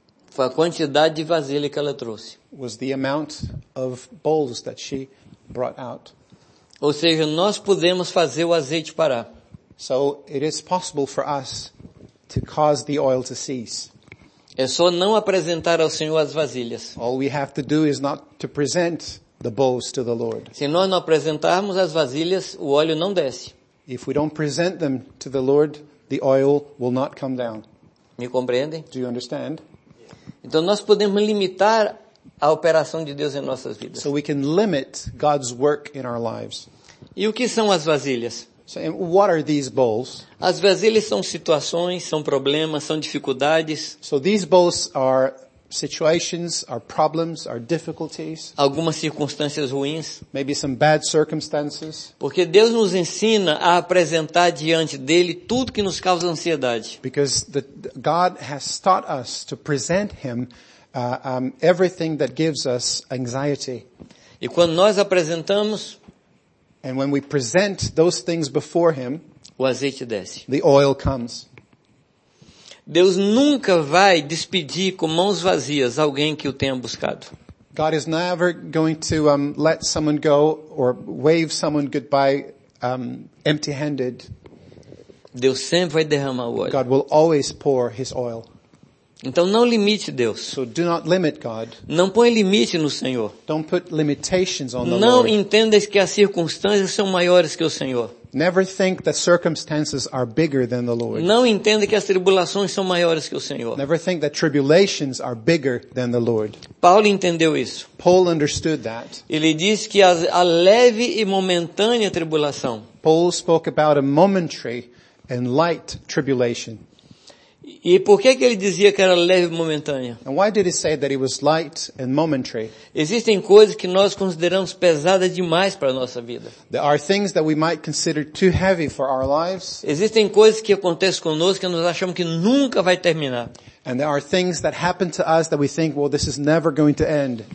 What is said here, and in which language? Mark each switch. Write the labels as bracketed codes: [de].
[pt] Foi a quantidade de vasilha que ela trouxe. [en] Was the amount of bowls that she brought out. [pt] Ou seja, nós podemos fazer o azeite parar. [en] So it is possible for us to cause the oil to cease. [pt] É só não apresentar ao Senhor as vasilhas. [en] All we have to do is not to present the bowls to the Lord. [pt] Se nós não apresentarmos as vasilhas, o óleo não desce. [en] If we don't present them to the Lord, the oil will not come down. [pt] Me compreendem? [en] Do you understand? [pt] Então nós podemos limitar a operação de Deus em nossas vidas. [en] So we can limit God's work in our lives. [pt] E o que são as vasilhas? [en] So, what are these bowls? [pt] As vasilhas são situações, são problemas, são dificuldades. [en] So these bowls are situations, are problems, are difficulties. [pt] Algumas circunstâncias ruins. [en] Maybe some bad circumstances. [pt] Porque Deus nos ensina a apresentar diante dele tudo que nos causa ansiedade. [en] Because God has taught us to present him everything that gives us anxiety. [pt] E quando nós apresentamos, [en] and when we present those things before him, [pt] o azeite desce. [en] The oil comes. [pt] Deus nunca vai despedir com mãos vazias alguém que o tenha buscado. [en] God is never going to let someone go or wave someone goodbye empty-handed. [pt] Deus sempre vai derramar o óleo. [en] God will always pour his oil. [pt] Então não limite Deus. [en] So do not limit God. [pt] Não põe limite no Senhor. [en] Don't put limitations on the [pt] não [en] Lord. [pt] Entenda que as circunstâncias são maiores que o Senhor. [en] Never think that circumstances are bigger than the Lord. [pt] Não entenda que as tribulações são maiores que o Senhor. [en] Never think that tribulations are bigger than the Lord. [pt] Paulo entendeu isso. [en] Paul understood that. [pt] Ele disse que a leve e momentânea tribulação. [en] Paul spoke about a momentary and light tribulation. [pt] E por que que ele dizia que era leve e momentânea? [en] And why did he say that it was light and momentary? [pt] Existem coisas que nós consideramos pesadas demais para a nossa vida. [en] There are things that we might consider too heavy for our lives. [pt] Existem coisas que acontecem conosco que nós achamos que nunca vai terminar. [en] And there are things that happen to us that we think, well, this is never going to end.